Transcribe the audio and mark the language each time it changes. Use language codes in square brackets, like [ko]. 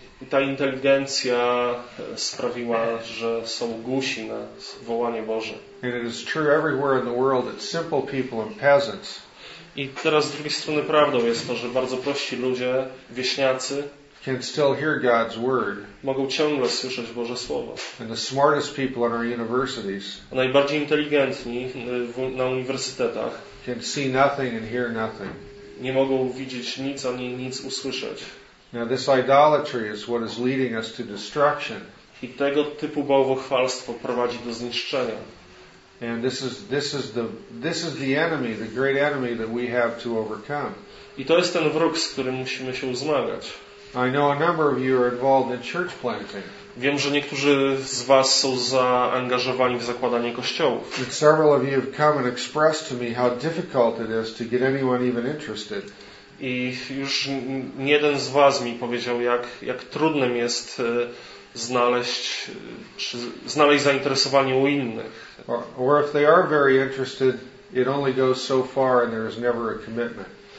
[pl] Ta inteligencja sprawiła, że są głusi na wołanie Boże. [en] And it is true everywhere in the world that simple people and peasants. [pl] I teraz z drugiej strony prawdą jest to, że bardzo prości ludzie, wieśniacy, [en] can still hear God's word. [pl] Mogą ciągle słyszeć Boże słowo. [en] And the smartest people in our universities. [pl] Najbardziej inteligentni na uniwersytetach [en] can see nothing and hear nothing. [pl] nie mogą widzieć nic ani nic usłyszeć. [en] Now this idolatry is what is leading us to destruction. [pl] I tego typu bałwochwalstwo prowadzi do zniszczenia. [en] And this is the enemy, the great enemy that we have to overcome. [pl] I to jest ten wróg, z którym musimy się zmagać. [en] I know a number of you are involved in church planting. [pl] Wiem, że niektórzy z was są zaangażowani w zakładanie kościołów. [en] And several of you have come and expressed to me how difficult it is to get anyone even interested. [pl] I już nie jeden z was mi powiedział, jak trudnym jest znaleźć zainteresowanie u innych. [en] Or if they are very interested, it only goes so far and there is never a commitment.